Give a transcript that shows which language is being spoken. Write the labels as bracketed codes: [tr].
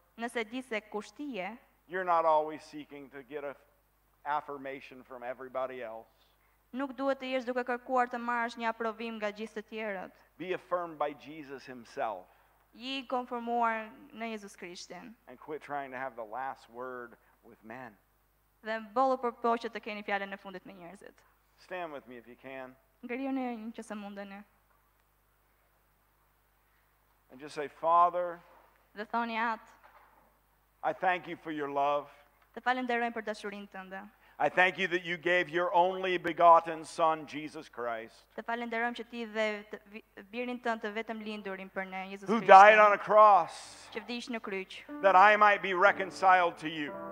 [sq] Nëse di se kush ti je. [en] You're not always seeking to get an affirmation from everybody else. [sq] Nuk duhet të jesh duke kërkuar të marrësh një aprovim nga gjithë të tjerët. [en] Be affirmed by Jesus himself. [sq] Je I konfirmuar në Jezus Krishtin. [en] And quit trying to have the last word with men. [sq] Dhe bollu përpoqet të keni fjalën e fundit me njerëzit. [en] Stand with me if you can. [sq] Ngrihuni nëse mundeni. [en] And just say Father. [sq] Dhe thoni atë. [en] I thank you for your love. [sq] Të falenderojmë për dashurinë tënde. [en] I thank you that you gave your only begotten Son, Jesus Christ, who died on a cross, that I might be reconciled to you.